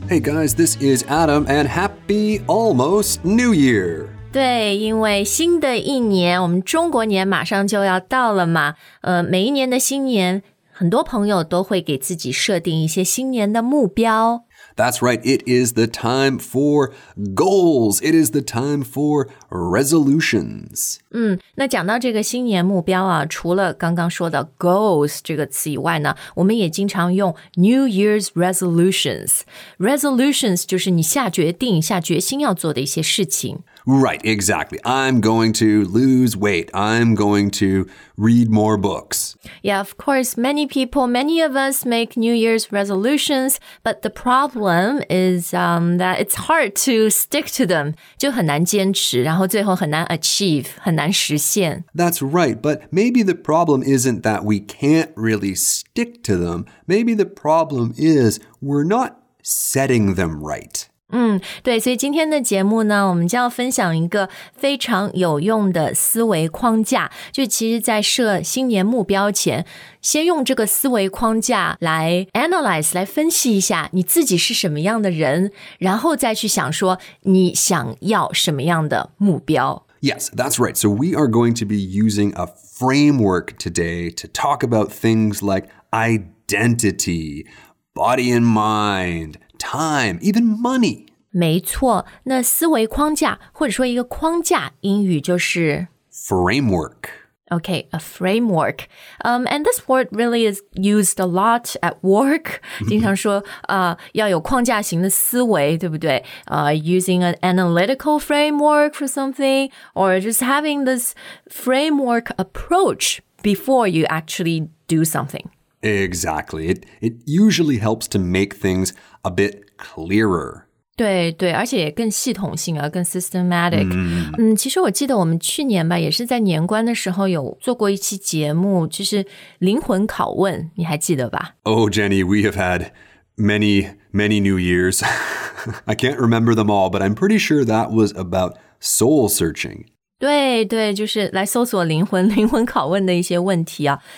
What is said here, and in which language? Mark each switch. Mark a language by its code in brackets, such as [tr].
[en] Hey guys, this is Adam and happy almost New Year。 [zh] 对，因为新的一年，我们中国年马上就要到了嘛。每一年的新年，很多朋友都会给自己设定一些新年的目标。 [en] That's right, it is the time for goals. It is the time for resolutions. [zh] 那讲到这个新年目标啊，除了刚刚说的 goals 这个词以外呢，我们也经常用 [en] New Year's resolutions. [zh] Resolutions 就是你下决定、下决心要做的一些事情。 [en] Right, exactly. I'm going to lose weight. I'm going to read more books. Yeah, of course, many of us make New Year's resolutions, but the problem is that it's hard to stick to them. [zh] 就很难坚持，然后最后很难 achieve, 很难实现。 [en] That's right, but maybe the problem isn't that we can't really stick to them. Maybe the problem is we're not setting them right. [zh] 对，所以今天的节目呢，我们就要分享一个非常有用的思维框架，就其实在设新年目标前，先用这个思维框架来 analyze, 来分析一下你自己是什么样的人，然后再去想说你想要什么样的目标。 [en] Yes, that's right. So we are going to be using a framework today to talk about things like identity, body and mind,Time, even money. [zh] 没错，那思维框架或者说一个框架，英语就是 [en] framework. Okay, a framework. And this word really is used a lot at work. [zh] 经常说要有框架型的思维，对不对？ [en] Using an analytical framework for something, or just having this framework approach before you actually do something. Exactly. It usually helps to make things a bit clearer. [zh] 对对，而且也更系统性啊，更 systematic. 其实我记得我们去年吧，也是在年关的时候有做过一期节目，就是灵魂拷问，你还记得吧？ [en] Oh, Jenny, we have had many, many New Years. I can't remember them all, but I'm pretty sure that was about soul searching. [zh] 对对，就是来搜索灵魂，灵魂拷问的一些问题啊。